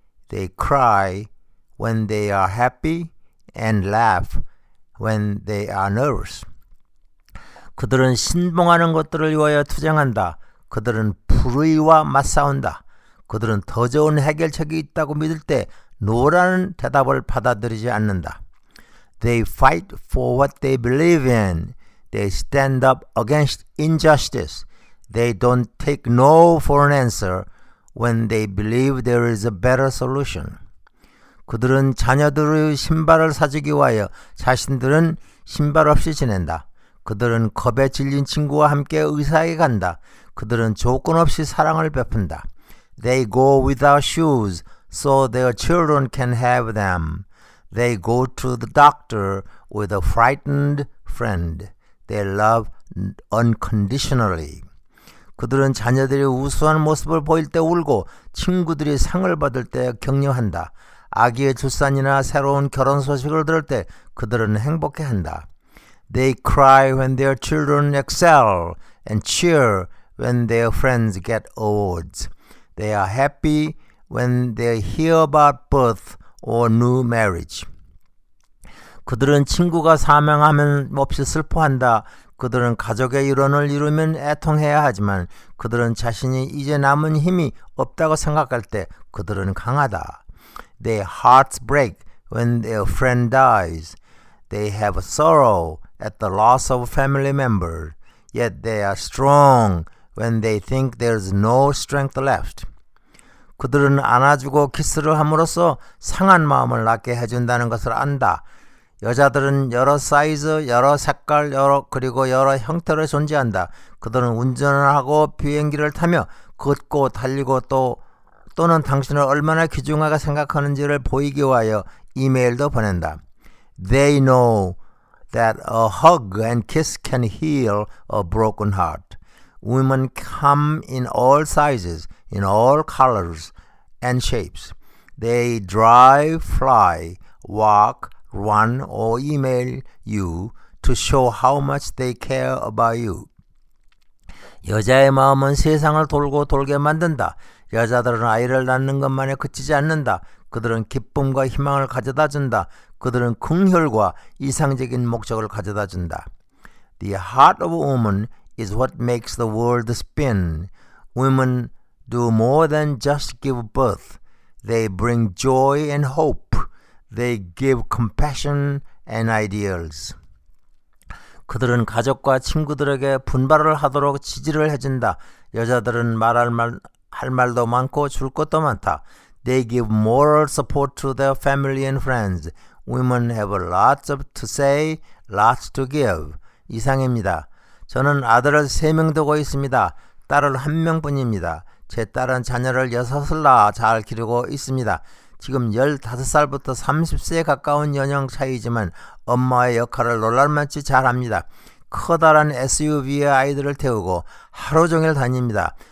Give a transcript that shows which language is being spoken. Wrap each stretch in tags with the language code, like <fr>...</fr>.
<en>They cry when they are happy and laugh when they are nervous.</en> <ko>그들은 신봉하는 것들을 위하여 투쟁한다. 그들은 불의와 맞싸운다. 그들은 더 좋은 해결책이 있다고 믿을 때 노라는 대답을 받아들이지 않는다.</ko> <en>They fight for what they believe in. They stand up against injustice. They don't take no for an answer when they believe there is a better solution.</en> <ko>그들은 자녀들의 신발을 사주기 위하여 자신들은 신발 없이 지낸다. 그들은 겁에 질린 친구와 함께 의사에게 간다. 그들은 조건 없이 사랑을 베푼다.</ko> <en>They go without shoes so their children can have them. They go to the doctor with a frightened friend. They love unconditionally.</en> <ko>그들은 자녀들이 우수한 모습을 보일 때 울고 친구들이 상을 받을 때 격려한다. 아기의 출산이나 새로운 결혼 소식을 들을 때 그들은 행복해한다.</ko> <en>They cry when their children excel and cheer when their friends get awards. They are happy when they hear about birth or new marriage.</en> <ko>그들은 친구가 사망하면 몹시 슬퍼한다. 그들은 가족의 일원을 이루면 애통해야 하지만 그들은 자신이 이제 남은 힘이 없다고 생각할 때 그들은 강하다.</ko> <en>Their hearts break when their friend dies. They have a sorrow at the loss of a family member. Yet they are strong when they think there is no strength left.</en> <ko>그들은 안아주고 키스를 함으로써 상한 마음을 낫게 해준다는 것을 안다. 여자들은 여러 사이즈, 여러 색깔, 그리고 여러 형태로 존재한다. 그들은 운전을 하고 비행기를 타며 걷고 달리고 또는 당신을 얼마나 귀중하게 생각하는지를 보이기 위하여 이메일도 보낸다.</ko> <en>They know that a hug and kiss can heal a broken heart. Women come in all sizes, in all colors and shapes. They drive, fly, walk, run or email you to show how much they care about you.</en> <ko>여자의 마음은 세상을 돌고 돌게 만든다. 여자들은 아이를 낳는 것만에 그치지 않는다. 그들은 기쁨과 희망을 가져다 준다. 그들은 긍휼과 이상적인 목적을 가져다 준다.</ko> <en>The heart of a woman is what makes the world spin. Women do more than just give birth. They bring joy and hope. They give compassion and ideals.</en> <ko>그들은 가족과 친구들에게 분발을 하도록 지지를 해준다. 여자들은 할 말도 많고 줄 것도 많다.</ko> <en>They give moral support to their family and friends. Women have a lots to say, lots to give.</en> <ko>이상입니다. 저는 아들을 3명 두고 있습니다. 딸을 1명뿐입니다. 제 딸은 자녀를 6을 낳아 잘 기르고 있습니다. 지금 15살부터 30세에 가까운 연령 차이지만 엄마의 역할을 놀랄만치 잘합니다. 커다란 SUV에 아이들을 태우고 하루 종일 다닙니다.</ko>